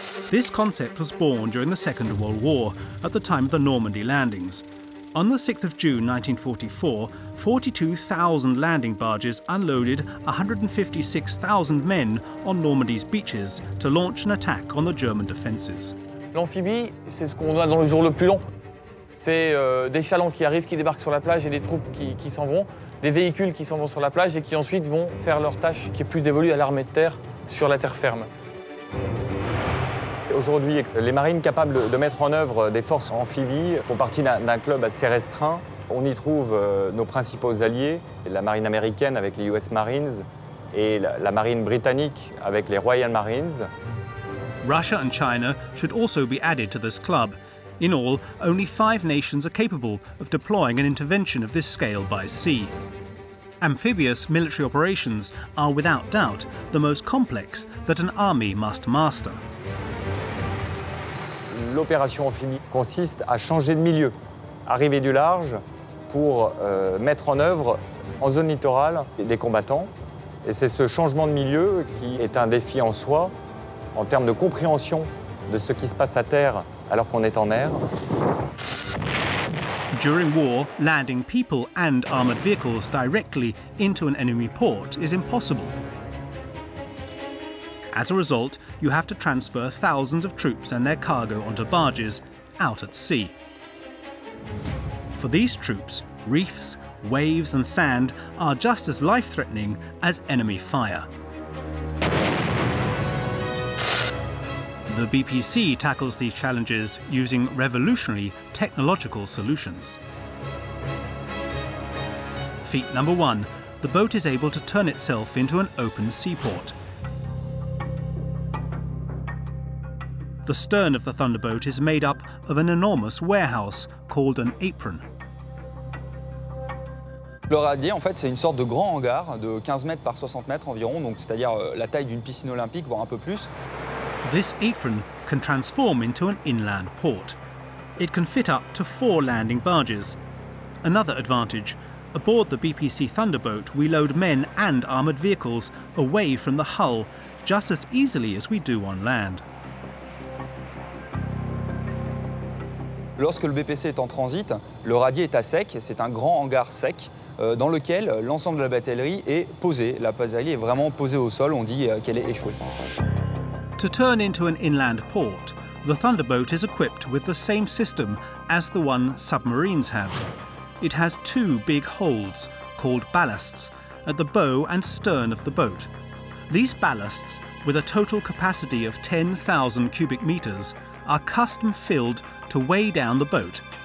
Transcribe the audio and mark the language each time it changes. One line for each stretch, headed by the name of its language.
English: This concept was born during the Second World War, at the time of the Normandy landings. On the 6th of June 1944, 42,000 landing barges unloaded 156,000 men on Normandy's beaches to launch an attack on the German defenses.
French: L'amphibie, c'est ce qu'on a dans le jour le plus long. C'est des chalands qui arrivent, qui débarquent sur la plage et des troupes qui s'en vont, des véhicules qui s'en vont sur la plage et qui ensuite vont faire leur tâche qui est plus dévolue à l'armée de terre sur la terre ferme. Aujourd'hui, les marines capables de mettre en œuvre des forces amphibies font partie d'un club assez restreint. On y trouve nos principaux alliés, la marine américaine avec les US Marines et la marine britannique avec les Royal Marines.
English: Russia and China should also be added to this club. In all, only 5 nations are capable of deploying an intervention of this scale by sea. Amphibious military operations are without doubt the most complex that an army must master.
French: L'opération amphibie consiste à changer de milieu, arriver du large pour mettre en œuvre en zone littorale des combattants. Et c'est ce changement de milieu qui est un défi en soi, en termes de compréhension de ce qui se passe à terre alors qu'on est en mer.
English: During war, landing people and armored vehicles directly into an enemy port is impossible. As a result, you have to transfer thousands of troops and their cargo onto barges out at sea. For these troops, reefs, waves and sand are just as life-threatening as enemy fire. The BPC tackles these challenges using revolutionary technological solutions. Feat number one, the boat is able to turn itself into an open seaport. The stern of the Thunderboat is made up of an enormous warehouse called an apron.
French: Le radier, en fait, c'est une sorte de grand hangar de 15 mètres par 60 mètres environ, donc c'est-à-dire la taille d'une piscine olympique, voire un peu plus.
English: This apron can transform into an inland port. It can fit up to 4 landing barges. Another advantage. Aboard the BPC Thunderboat, we load men and armoured vehicles away from the hull just as easily as we do on land.
French: Lorsque le BPC est en transit, le radier est à sec, c'est un grand hangar sec dans lequel l'ensemble de la batellerie est posée. La batellerie est vraiment posée au sol, on dit qu'elle est échouée.
English: To turn into an inland port, the Thunderboat is equipped with the same system as the one submarines have. It has two big holds, called ballasts, at the bow and stern of the boat. These ballasts, with a total capacity of 10,000 cubic meters, are custom filled to weigh down the boat.